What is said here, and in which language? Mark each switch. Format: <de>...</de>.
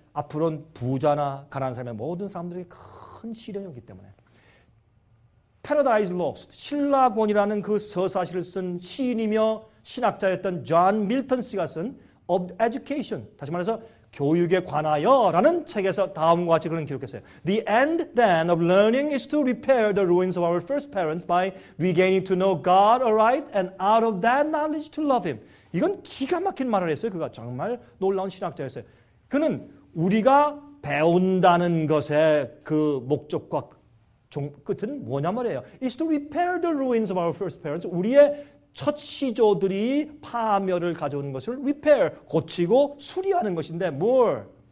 <ko>앞으로는 부자나 가난한 사람의 모든 사람들에게 큰 시련이 오기 때문에. Paradise Lost, 신라곤이라는 그 서사시를 쓴 시인이며 신학자였던 존 밀턴 씨가 쓴 Of Education, 다시 말해서 교육에 관하여 라는 책에서 다음과 같이 그런 기록했어요.</ko> <en>The end then of learning is to repair the ruins of our first parents by regaining to know God aright and out of that knowledge to love him.</en> <ko>이건 기가 막힌 말을 했어요. 그가 정말 놀라운 신학자였어요. 그는 우리가 배운다는 것의 그 목적과 끝은 뭐냐 말이에요.</ko> <en>Is to repair the ruins of our first parents.</en> <ko>우리의 첫 시조들이 파멸을 가져오는 것을 repair, 고치고 수리하는 것인데 뭘?</ko>